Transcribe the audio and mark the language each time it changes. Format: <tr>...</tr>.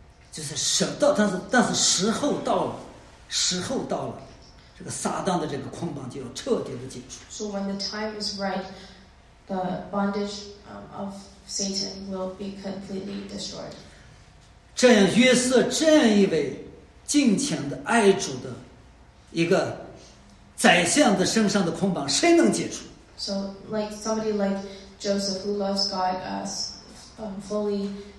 <zh>就是神到，但是时候到了，时候到了，这个撒旦的这个捆绑就要彻底的解除。</zh> <en>So when the time is right, the bondage of Satan will be completely destroyed.</en> <zh>这样约瑟这样一位敬虔的爱主的一个宰相的身上的捆绑，谁能解除</zh> <en>？So like somebody like Joseph who loves God as fully.</en>